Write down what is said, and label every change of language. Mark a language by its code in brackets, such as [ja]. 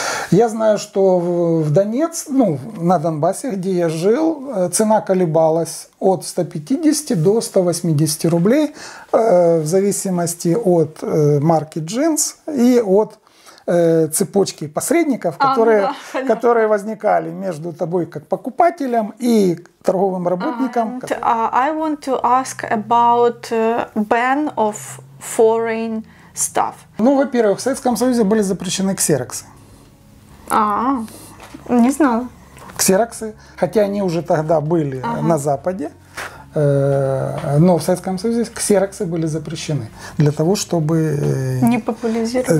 [ru] Я знаю, что в Донец, ну, на Донбассе, где я жил, цена колебалась от 150 до 180 рублей в зависимости от марки джинс и от цепочки посредников, которые возникали между тобой как покупателем и торговым работником. [en] I want to ask about ban of foreign stuff. [ru] Ну, во-первых, в Советском Союзе были запрещены ксероксы. Не знала. Ксероксы, хотя они уже тогда были на Западе, но в Советском Союзе ксероксы были запрещены для того, чтобы не популяризировать.